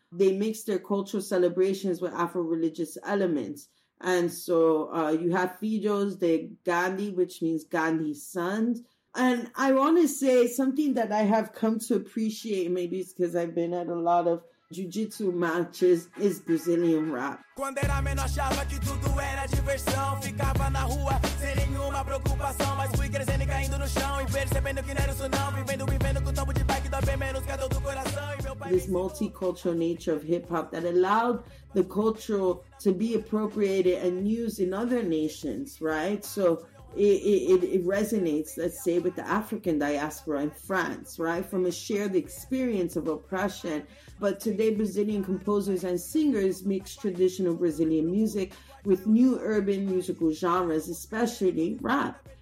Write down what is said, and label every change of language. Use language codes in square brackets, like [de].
[en] They mix their cultural celebrations with Afro-religious elements. And so you have Fijos de Gandhi, which means Gandhi's sons. And I want to say something that I have come to appreciate, maybe it's because I've been at a lot of jiu-jitsu matches, is Brazilian rap. [pt] Quando era menor achava que tudo era diversão, ficava na rua sem nenhuma preocupação, mas fui crescendo e caindo no chão e percebendo que não era isso não, vivendo, vivendo com o tombo de bike, dói bem menos que a dor do coração. [en] This multicultural nature of hip-hop that allowed the cultural to be appropriated and used in other nations, right? So it resonates, let's say, with the African diaspora in France, right? From a shared experience of oppression. But today, Brazilian composers and singers mix traditional Brazilian music with new urban musical genres, especially rap.